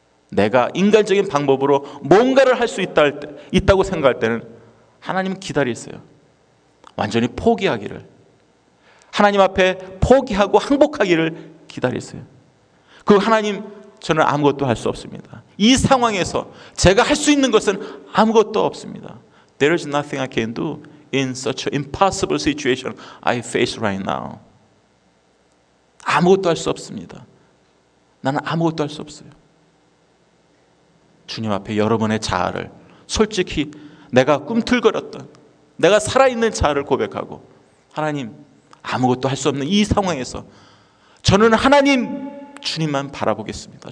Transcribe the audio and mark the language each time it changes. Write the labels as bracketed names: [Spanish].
[Korean] 내가 인간적인 방법으로 뭔가를 할 수 있다고 생각할 때는 하나님은 기다리세요. 완전히 포기하기를, 하나님 앞에 포기하고 항복하기를 기다리세요. 그 하나님, 저는 아무것도 할 수 없습니다. 이 상황에서 제가 할 수 있는 것은 아무것도 없습니다. [English] There is nothing I can do in such an impossible situation I face right now. [Korean] 아무것도 할 수 없습니다. 나는 아무것도 할 수 없어요. 주님 앞에 여러분의 자아를 솔직히 내가 꿈틀거렸던 내가 살아있는 자아를 고백하고 하나님 아무것도 할 수 없는 이 상황에서 저는 하나님 주님만 바라보겠습니다.